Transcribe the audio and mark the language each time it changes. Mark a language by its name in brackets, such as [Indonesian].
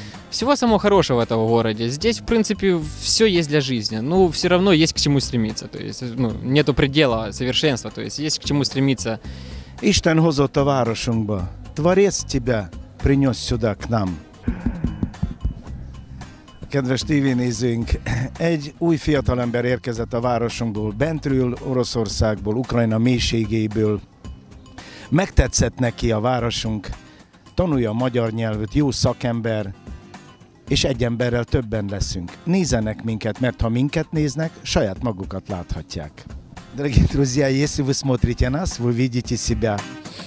[Russian] Всего самого хорошего в этом городе. Здесь, в принципе, все есть для жизни. Ну, все равно есть к чему стремиться. То есть, ну, нету предела совершенства, то есть к чему стремиться. [Hungarian] Иштен Гозо Товарошумба, [Russian] Творец тебя принес сюда, к нам. [Hungarian] Кедвес тévénézőink, egy új fiatalember érkezett a városunkból, bentről Oroszországból, Ukrajna mélységéből. Megtetszett neki a városunk, tanulja a magyar nyelvet, jó szakember, és egy emberrel többen leszünk. Nézzenek minket, mert ha minket néznek, saját magukat láthatják. [Russian] Дорогие друзья, если вы смотрите нас, вы видите себя.